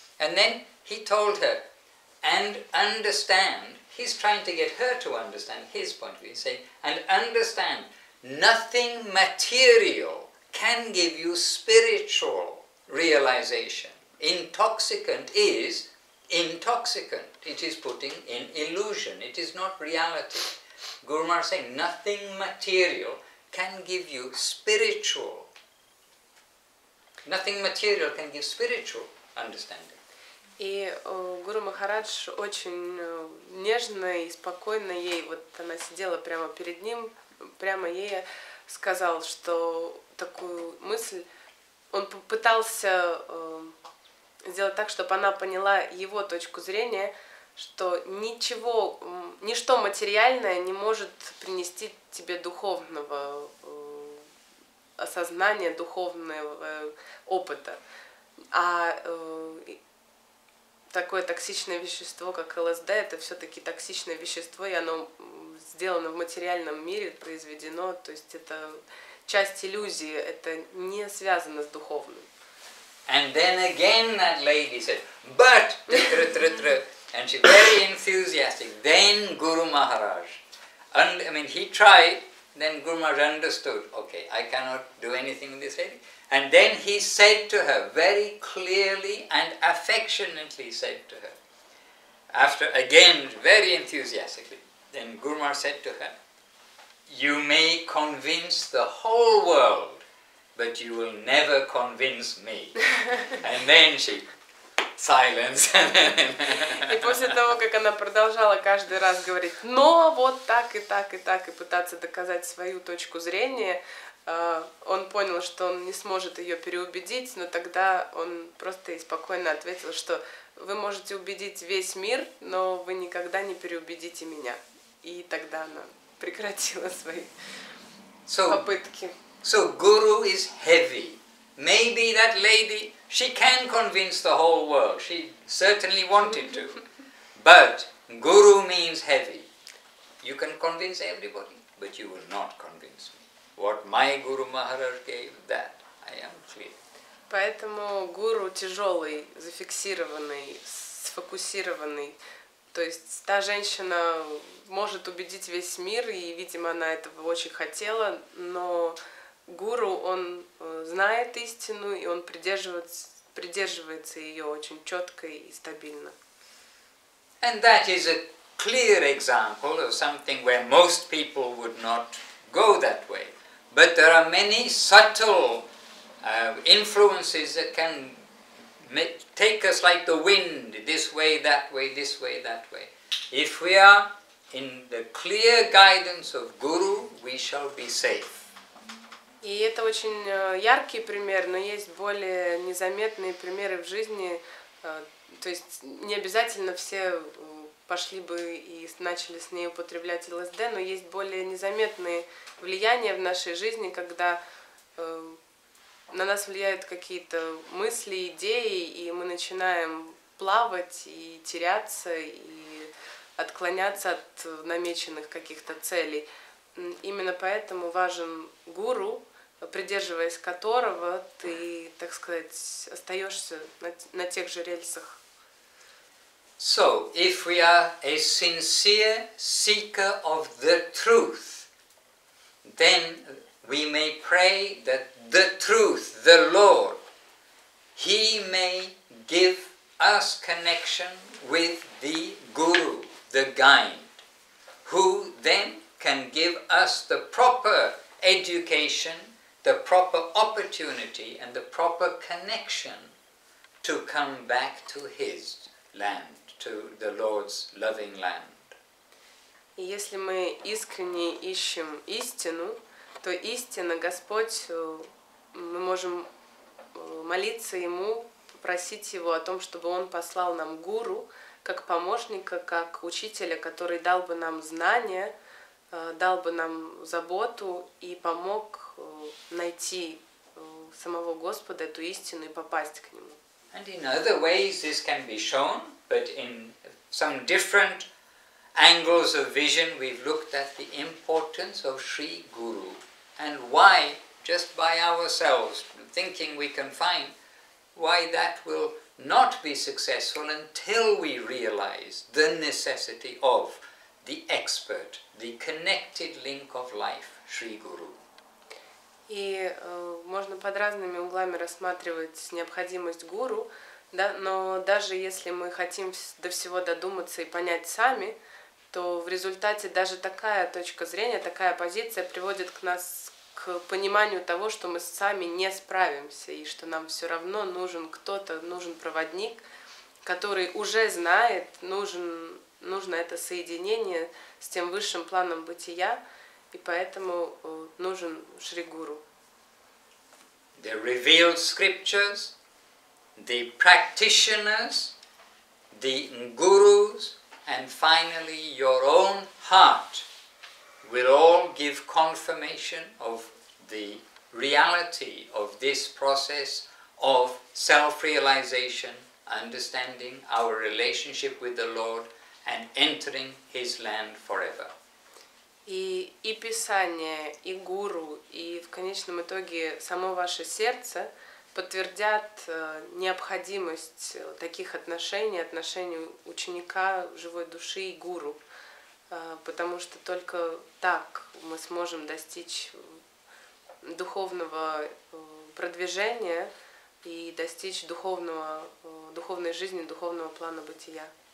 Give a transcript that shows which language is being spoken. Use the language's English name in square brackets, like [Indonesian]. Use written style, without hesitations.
[English] And then he told her, and understand, he's trying to get her to understand his point of view, saying, and understand, nothing material can give you spiritual realization. Intoxicant is intoxicant. It is putting in illusion. It is not reality. Guru Maharaj is saying, nothing material can give you spiritual. Nothing material can give spiritual understanding. [Russian] И Гуру Махарадж очень нежно и спокойно ей, вот она сидела прямо перед ним, прямо ей сказал, что такую мысль, он попытался сделать так, чтобы она поняла его точку зрения, что ничего, ничто материальное не может принести тебе духовного осознания, духовного опыта. А такое токсичное вещество, как ЛСД, это все-таки токсичное вещество, и оно сделано в материальном мире, произведено, то есть это часть иллюзии, это не связано с духовным. [English] And then again that lady said, but, and she very enthusiastic, then Guru Maharaj, and, I mean, he tried, then Guru Maharaj understood, okay, I cannot do anything with this lady. And then he said to her, very clearly and affectionately said to her, after again, very enthusiastically, then Guru Maharaj said to her, you may convince the whole world, but you will never convince me. And then she, silence. [Russian] И после того, как она продолжала каждый раз говорить, но вот так и так и так, и пытаться доказать свою точку зрения, он понял, что он не сможет ее переубедить, но тогда он просто и спокойно ответил, что вы можете убедить весь мир, но вы никогда не переубедите меня. И тогда она прекратила свои попытки. [English] So guru is heavy. Maybe that lady, she can convince the whole world. She certainly wanted to. But guru means heavy. You can convince everybody, but you will not convince me. What my Guru Maharaj gave, that I am clear. [Russian] Поэтому гуру тяжелый, зафиксированный, сфокусированный. То есть та женщина может убедить весь мир, и, видимо, она этого очень хотела, но гуру, он знает истину, и он придерживается ее очень четко и стабильно. [English] And that is a clear example of something where most people would not go that way. But there are many subtle influences that can take us like the wind, this way, that way, this way, that way. If we are in the clear guidance of Guru, we shall be safe. [Russian] И это очень яркий пример, но есть более незаметные примеры в жизни. То есть не обязательно все пошли бы и начали с ней употреблять ЛСД, но есть более незаметные влияния в нашей жизни, когда на нас влияют какие-то мысли, идеи, и мы начинаем плавать и теряться, и отклоняться от намеченных каких-то целей. Именно поэтому важен гуру, придерживаясь которого ты, так сказать, остаешься на тех же рельсах. [English] So, if we are a sincere seeker of the truth, then we may pray that the truth, the Lord, He may give us connection with the Guru, the guide, who then can give us the proper education, the proper opportunity, and the proper connection to come back to His land. To the Lord's loving land. [Russian] И если мы искренне ищем истину, то истина, Господь, мы можем молиться Ему, попросить Его о том, чтобы Он послал нам гуру, как помощника, как учителя, который дал бы нам знания, дал бы нам заботу и помог найти самого Господа, эту истину, и попасть к Нему. [English] And in other ways this can be shown, but in some different angles of vision we've looked at the importance of Sri Guru and why just by ourselves thinking we can find why that will not be successful until we realize the necessity of the expert, the connected link of life, Sri Guru. [Russian] И можно под разными углами рассматривать необходимость гуру, да, но даже если мы хотим до всего додуматься и понять сами, то в результате даже такая точка зрения, такая позиция приводит к нас к пониманию того, что мы сами не справимся, и что нам все равно нужен кто-то, нужен проводник, который уже знает, нужно это соединение с тем высшим планом бытия, и поэтому нужен Шри Гуру. [English] The revealed scriptures, the practitioners, the gurus, and finally your own heart will all give confirmation of the reality of this process of self-realization, understanding our relationship with the Lord and entering His land forever. [Russian] И Писание, и Гуру, и в конечном итоге само ваше сердце подтвердят необходимость таких отношений, отношений ученика, живой души и Гуру, потому что только так мы сможем достичь духовного продвижения и достичь духовной жизни, духовного плана бытия.